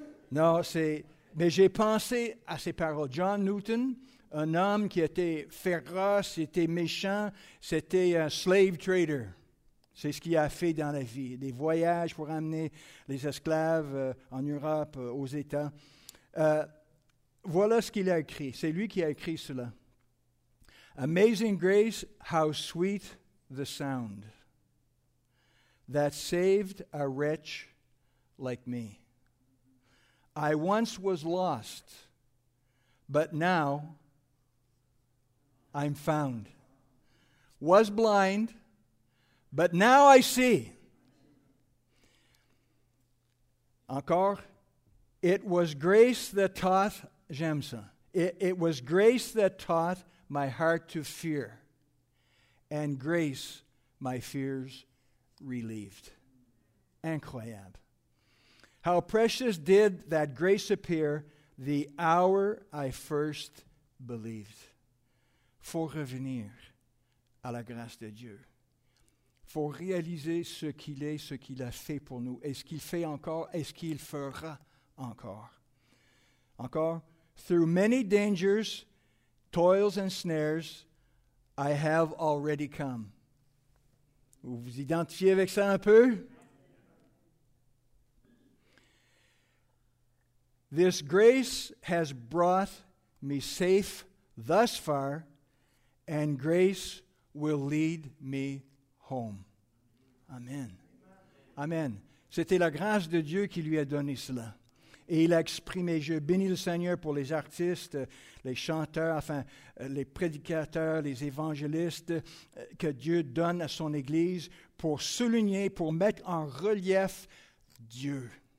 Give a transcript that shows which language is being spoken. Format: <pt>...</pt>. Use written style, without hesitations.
<fr>Non, c'est... Mais j'ai pensé à ces paroles. John Newton, un homme qui était féroce, était méchant, c'était un</fr> <en>slave trader.</en> <fr>C'est ce qu'il a fait dans la vie. Des voyages pour amener les esclaves en Europe, aux États. Voilà ce qu'il a écrit. C'est lui qui a écrit cela.</fr> <en>Amazing grace, how sweet the sound that saved a wretch like me. I once was lost, but now I'm found. Was blind, but now I see. Encore, it was grace that taught,</en> <fr>j'aime ça,</fr> <en>it was grace that taught my heart to fear, and grace my fears relieved. Incroyable. How precious did that grace appear the hour I first believed.</en> <fr>Faut revenir à la grâce de Dieu. Faut réaliser ce qu'il est, ce qu'il a fait pour nous. Est-ce qu'il fait encore? Est-ce qu'il fera encore? Encore.</fr> <en>Through many dangers, toils and snares, I have already come.</en> <fr>Vous vous identifiez avec ça un peu?</fr> <en>This grace has brought me safe thus far, and grace will lead me home. Amen. Amen.</en> <fr>C'était la grâce de Dieu qui lui a donné cela. Et il a exprimé, je bénis le Seigneur pour les artistes, les chanteurs, enfin, les prédicateurs, les évangélistes que Dieu donne à son Église pour souligner, pour mettre en relief Dieu.</fr>